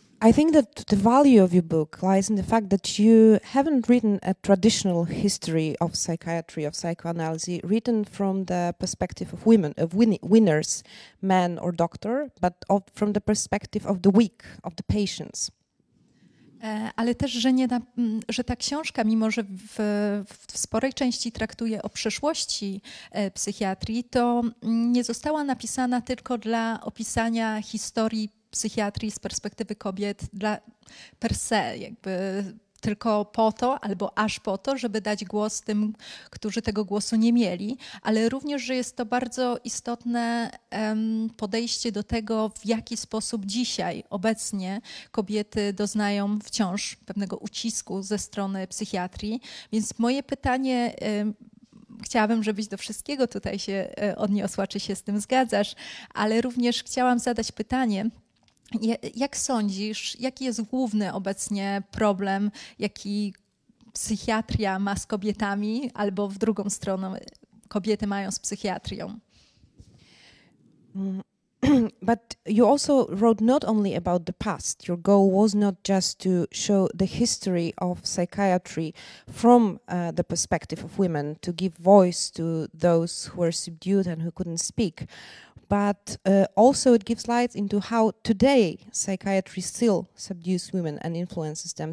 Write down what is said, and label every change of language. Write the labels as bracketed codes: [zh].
[en] I think that the value of your book lies in the fact that you haven't written a traditional history of psychiatry, of psychoanalysis, written from the perspective of women, of winners, men or doctor, but from the perspective of the weak, of the patients. [pl] Ale też, że, nie na, że ta książka, mimo że w sporej części traktuje o przeszłości psychiatrii, to nie została napisana tylko dla opisania historii psychiatrii z perspektywy kobiet dla per se, jakby tylko po to albo aż po to, żeby dać głos tym, którzy tego głosu nie mieli, ale również, że jest to bardzo istotne podejście do tego, w jaki sposób dzisiaj, obecnie kobiety doznają wciąż pewnego ucisku ze strony psychiatrii. Więc moje pytanie, chciałabym, żebyś do wszystkiego tutaj się odniosła, czy się z tym zgadzasz, ale również chciałam zadać pytanie, jak sądzisz, jaki jest główny obecnie problem, jaki psychiatria ma z kobietami, albo w drugą stronę kobiety mają z psychiatrią? [en] But you also wrote not only about the past. Your goal was not just to show the history of psychiatry from the perspective of women, to give voice to those who were subdued and who couldn't speak. But also it gives light into how today psychiatry still subdues women and influences them.